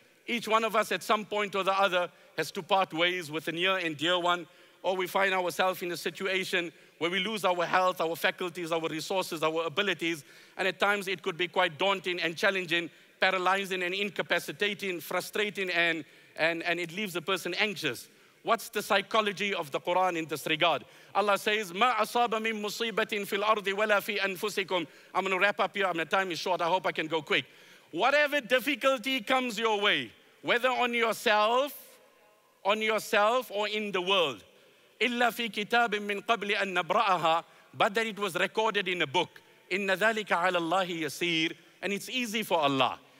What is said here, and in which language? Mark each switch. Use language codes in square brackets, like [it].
[en] Each one of us at some point or the other has to part ways with a near and dear one, or we find ourselves in a situation where we lose our health, our faculties, our resources, our abilities, and at times it could be quite daunting and challenging, paralyzing and incapacitating, frustrating, and it leaves a person anxious. What's the psychology of the Quran in this regard? Allah says, [ar] مَا أَصَابَ مِن مُصِيبَةٍ فِي الْأَرْضِ وَلَا فِي أَنفُسِكُمْ. [en] I'm going to wrap up here. My time is short. I hope I can go quick. Whatever difficulty comes your way, whether on yourself or in the world, [ar] إِلَّا فِي كِتَابٍ مِّن قَبْلِ أَن نَبْرَأَهَا, [en] but that it was recorded in a book. [ar] إِنَّ ذَلِكَ عَلَى اللَّهِ يَسِيرٍ. [en] And it's easy for Allah.